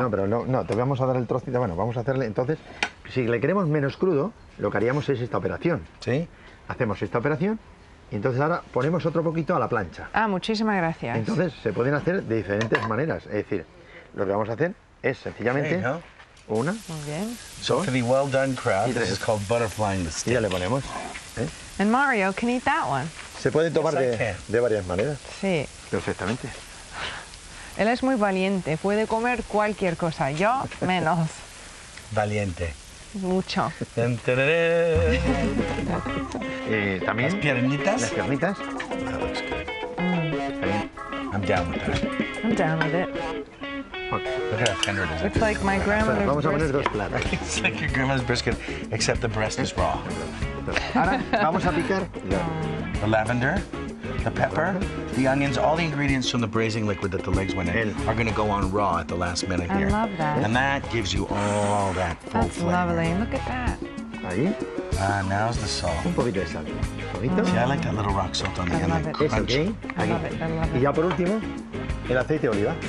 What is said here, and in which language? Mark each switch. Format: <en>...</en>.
<es>No, pero no, te vamos a dar el trocito. Bueno, vamos a hacerle... Entonces, si le queremos menos crudo, lo que haríamos es esta operación. Sí. Hacemos esta operación. Entonces ahora ponemos otro poquito a la plancha. Ah, muchísimas gracias. Entonces se pueden hacer de diferentes maneras. Es decir, lo que vamos a hacer es sencillamente una. Muy bien.</es> <en>So for the well done crab, this is called butterflying the stick.</en> <es>Y ya le ponemos.</es> <en>And Mario can eat that one.</en> <es>Se puede tomar de varias maneras. Sí. Perfectamente. Él es muy valiente. Puede comer cualquier cosa. Yo menos. Valiente. Mucho. También las piernitas.</es> <en>I'm down with that. I'm down with it. Look how tender it is. It's like my grandmother's brisket.</en> <es>Vamos a poner dos platos.</es> <en>It's like your grandma's brisket, except the breast is raw.</en> <es>Ahora vamos a picar</es> <en>the lavender, the pepper, the onions, all the ingredients from the braising liquid that the legs went in are going to go on raw at the last minute here. I love that. And that gives you all that full That's flavor. That's lovely. Look at that.</en> <es>Ahí.</es> <en>Ah, now's the salt.</en> <es>Un poquito de sal.</es> <en>See, I like that little rock salt on the I end. Love it. It's okay. I love it.</en> <es>Y ya por último, el aceite de oliva.</es>